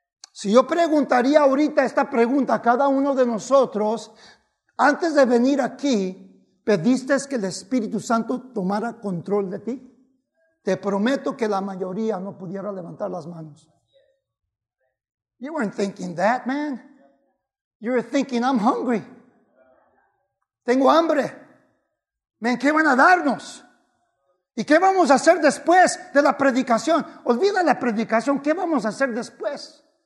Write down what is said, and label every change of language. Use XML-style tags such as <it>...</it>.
<es>Si yo preguntaría ahorita esta pregunta a cada uno de nosotros, antes de venir aquí, ¿pediste que el Espíritu Santo tomara control de ti? Te prometo que la mayoría no pudiera levantar las manos.</es> <en>You weren't thinking that, man. You were thinking, I'm hungry.</en> <es>Tengo hambre. Man, ¿qué van a darnos? ¿Y qué vamos a hacer después de la predicación? Olvida la predicación, ¿qué vamos a hacer después?</es>